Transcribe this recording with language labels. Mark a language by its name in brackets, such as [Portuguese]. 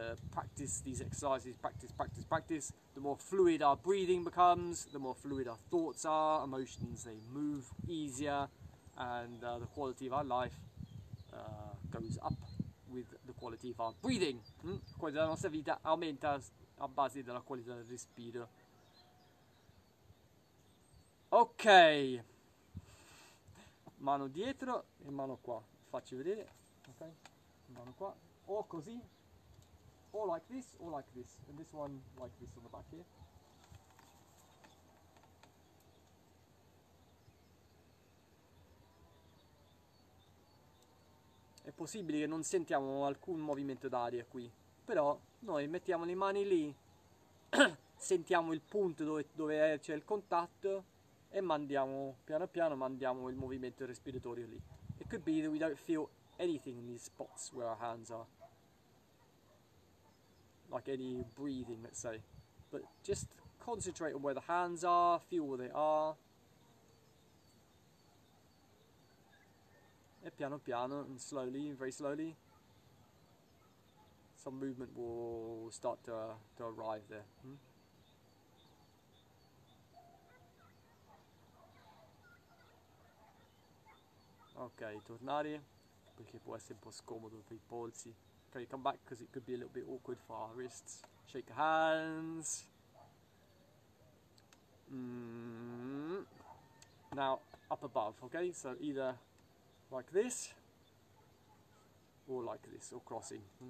[English] practice these exercises, practice, the more fluid our breathing becomes, the more fluid our thoughts are, emotions, they move easier, and the quality of our life goes up with the quality of our breathing. [Italian] La qualità della nostra vita aumenta a base della qualità del respiro. Ok, mano dietro e mano qua, faccio vedere, ok, mano qua, o così, o [English] like this, and this one like this on the back here. [Italian] È possibile che non sentiamo alcun movimento d'aria qui, però noi mettiamo le mani lì, sentiamo il punto dove c'è il contatto, e mandiamo, piano piano, mandiamo il movimento respiratorio lì. [English] It could be that we don't feel anything in these spots where our hands are. Like any breathing, let's say. But just concentrate on where the hands are, feel where they are. [Italian] E piano piano, [English] and slowly, very slowly, some movement will start to arrive there. [Italian] Ok, tornare, perché può essere un po' scomodo per i polsi. [English] Ok, come back, because it could be a little bit awkward for our wrists. Shake your hands. Now, up above, ok? So either like this, or like this, or crossing.